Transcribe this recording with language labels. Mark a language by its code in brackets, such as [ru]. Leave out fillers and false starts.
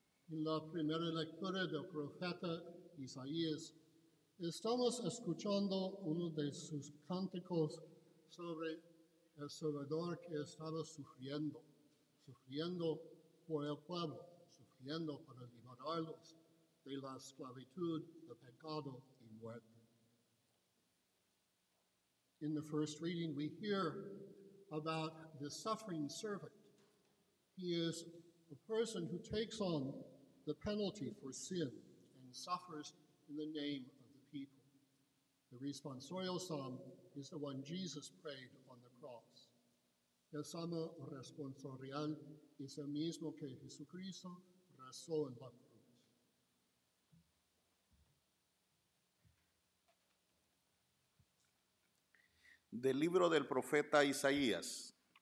[es] En la primera lectura del profeta Isaías, estamos escuchando uno de sus cánticos sobre el Salvador que estaba sufriendo por el pueblo, sufriendo para liberarlos de la esclavitud, de pecado y muerte. [en] In the first reading, we hear about the suffering servant. He is a person who takes on the penalty for sin and suffers in the name of the people. The responsorial psalm is the one Jesus prayed on the cross. [es] El salmo responsorial es el mismo que Jesucristo rezó en la cruz. Del libro del profeta Isaías.